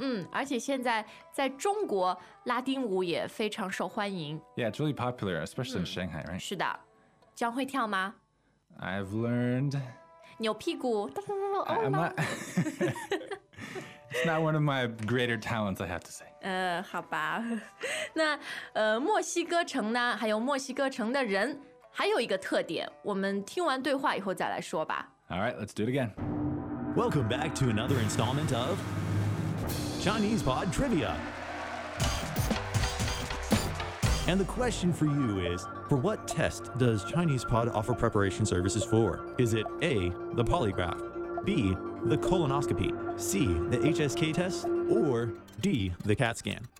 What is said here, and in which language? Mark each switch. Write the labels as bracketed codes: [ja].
[zh] 而且现在在中国拉丁舞也非常受欢迎。 [en] Yeah, it's really popular, especially in Shanghai, right? [zh] 是的。将会跳吗? [en] I've learned... [zh] 扭屁股。 [en] I'm not... It's not one of my greater talents, I have to say. [zh] 好吧。那墨西哥城呢,还有墨西哥城的人。还有一个特点，我们听完对话以后再来说吧。 [en] All right, let's do it again. Welcome back to another installment of Chinese Pod Trivia. And the question for you is, for what test does Chinese Pod offer preparation services for? Is it A, the polygraph, B, the colonoscopy, C, the HSK test, or D, the CAT scan?